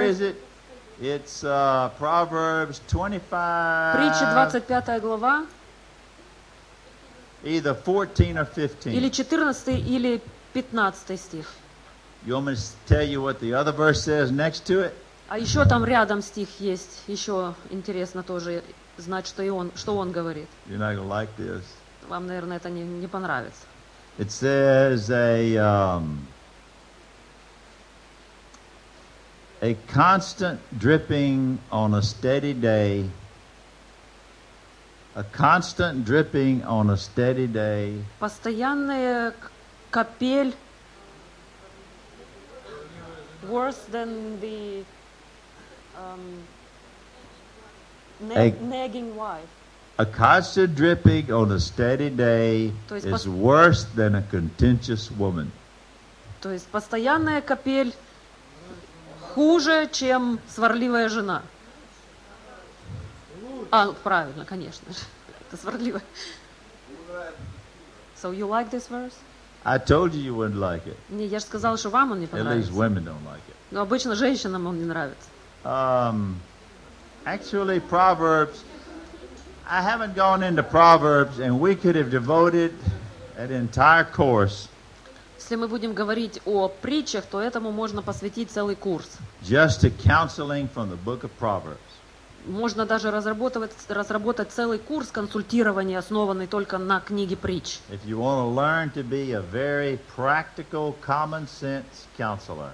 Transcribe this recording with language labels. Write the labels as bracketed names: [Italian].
[English] Where is it? It's Proverbs 25. [Russian] Притчи 25 глава. [English] Either 14 or 15. [Russian] Или 14 или 15 стих. [English] You want me to tell you what the other verse says next to it? [Russian] А еще там рядом стих есть. Еще интересно тоже знать, что он говорит. [English] You're not gonna like this. [Russian] Вам, наверное, это не понравится. [English] It says a constant dripping on a steady day. A constant dripping on a steady day. [Russian] Постоянная капель. [English] Worse than the nagging wife. A constant dripping on a steady day is worse than a contentious woman. [Russian] То есть постоянная капель хуже, чем сварливая жена. А, правильно, конечно. Это сварливая. [English] So you like this verse? I told you you wouldn't like it. [Russian] Не, я же сказала, что вам он не понравится. [English] At least women don't like it. [Russian] Но обычно женщинам он не нравится. [English] Actually, Proverbs. I haven't gone into Proverbs, and we could have devoted an entire course. [Russian] Если мы будем говорить о притчах, то этому можно посвятить целый курс. [English] Just to counseling from the book of Proverbs. [Russian] Можно даже разработать целый курс консультирования, основанный только на книге притч. [English] If you want to learn to be a very practical, common sense counselor.